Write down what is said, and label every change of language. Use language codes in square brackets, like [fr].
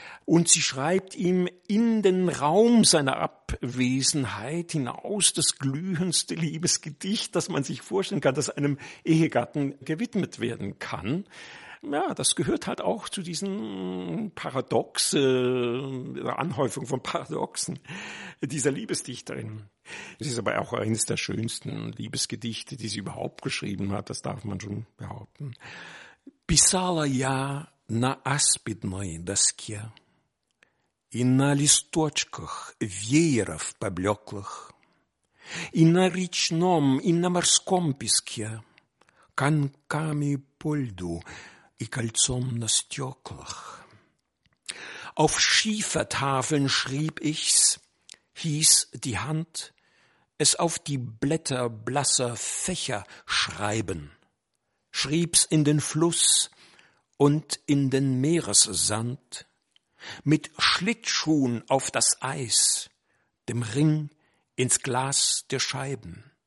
[de] Und sie schreibt ihm in den Raum seiner Abwesenheit hinaus das glühendste Liebesgedicht, das man sich vorstellen kann, das einem Ehegatten gewidmet werden kann. Ja, das gehört halt auch zu diesen Anhäufung von Paradoxen dieser Liebesdichterin. Es ist aber auch eines der schönsten Liebesgedichte, die sie überhaupt geschrieben hat, das darf man schon behaupten. [ru] Писала я на аспидной доске и на листочках вееров поблеклых, и на речном, и на морском песке, коньками по льду и кольцом на стеклах. [de] Auf Schiefertafeln schrieb ich's, hieß die Hand, es auf die Blätter blasser Fächer schreiben. Schrieb's in den Fluss, und in den Meeressand, mit Schlittschuhen auf das Eis, dem Ring ins Glas der Scheiben.